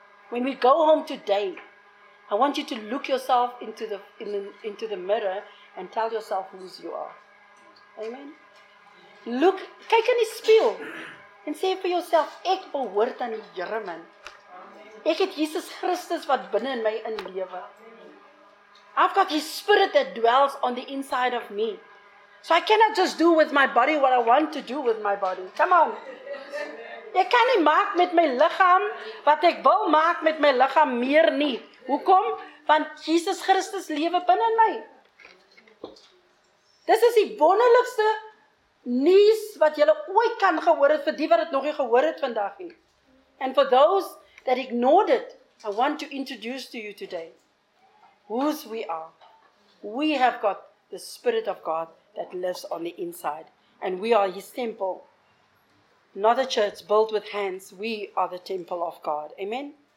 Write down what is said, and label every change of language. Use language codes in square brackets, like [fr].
[en] When we go home today, I want you to look yourself into the mirror and tell yourself who you are. Amen. [af] Look, kyk in die spieël en sê vir jouself, ek behoort aan die Here, man. Ek het Jesus Christus wat binne in my inlewe. [en] I've got His Spirit that dwells on the inside of me. So I cannot just do with my body what I want to do with my body. Come on. [af] Ek kan nie maak met my liggaam wat ek wil maak met my liggaam meer nie. Hoekom? Want Jesus Christus lewe binne in my. Dis is die wonderlikste nuus wat jy ooit kan gehoor het vir die wat dit nog nie gehoor het vandag nie. [en] And for those that ignored it, I want to introduce to you today whose we are. We have got the Spirit of God that lives on the inside. And we are His temple. Not a church built with hands. We are the temple of God. Amen?